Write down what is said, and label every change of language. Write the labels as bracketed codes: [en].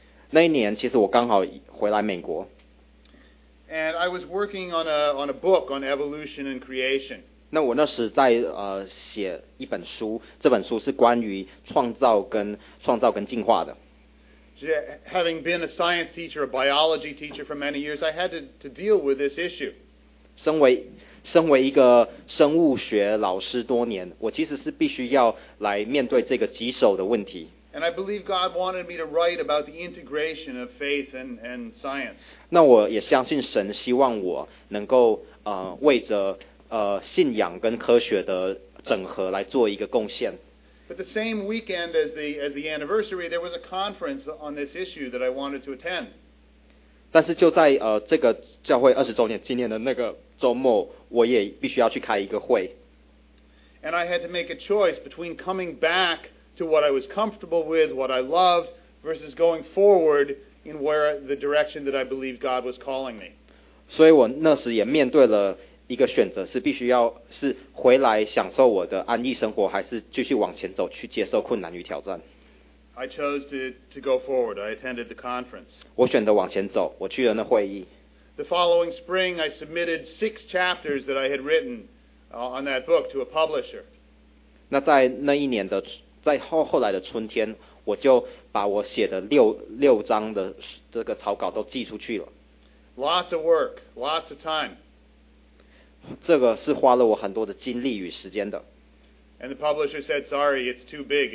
[zh] 那一年其实我刚好回来美国。 [en] And I was working on a book on evolution and creation. [zh] 那我那时在写一本书，这本书是关于创造跟进化的。 [en] Having been a science teacher, a biology teacher for many years, I had to deal with this issue. [zh] 身为一个生物学老师多年，我其实是必须要来面对这个棘手的问题。 [en] And I believe God wanted me to write about the integration of faith and science. [zh] 那我也相信神希望我能够为着信仰跟科学的整合来做一个贡献。 [en] But the same weekend as the anniversary, there was a conference on this issue that I wanted to attend. [zh] 但是就在这个教会二十周年纪念的那个周末，我也必须要去开一个会。 [en] And I had to make a choice between coming back. To what I was comfortable with, what I loved, versus going forward in where the direction that I believed God was calling me. [zh] 所以我那时也面对了一个选择，是必须要是回来享受我的安逸生活，还是继续往前走，去接受困难与挑战。 [en] I chose to go forward. I attended the conference. [zh] 我选择往前走，我去了那会议。 [en] The following spring, I submitted 6 chapters that I had written on that book to a publisher. [zh] 那在那一年的。在后来的春天，我就把我写的六章的这个草稿都寄出去了。 [en] Lots of work, lots of time. [zh] 这个是花了我很多的精力与时间的。 [en] And the publisher said, "Sorry, it's too big.